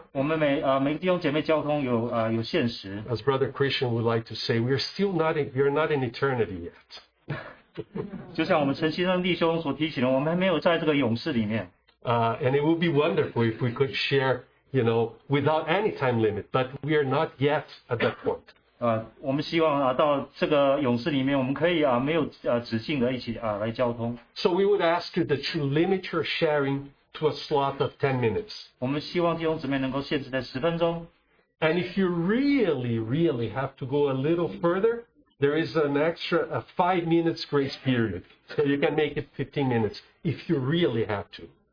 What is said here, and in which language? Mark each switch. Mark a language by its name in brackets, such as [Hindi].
[Chinese] 我们每个弟兄姐妹交通有限时。 [English] As Brother Christian would like to say, we are not in eternity yet. [Chinese] 就像我们陈先生弟兄所提醒的，我们还没有在这个永世里面。 [English] And it would be wonderful if we could share, you know, without any time limit, but we are not yet at that point. [Chinese] 我们希望到这个永世里面，我们可以没有止境的一起来交通。 [English] So we would ask you that you limit your sharing to a slot of 10 minutes. [Chinese] 我们希望弟兄姊妹能够限制在10分钟。 [English] And if you really, really have to go a little further, there is an extra 5 minutes grace period. So you can make it 15 minutes if you really have to.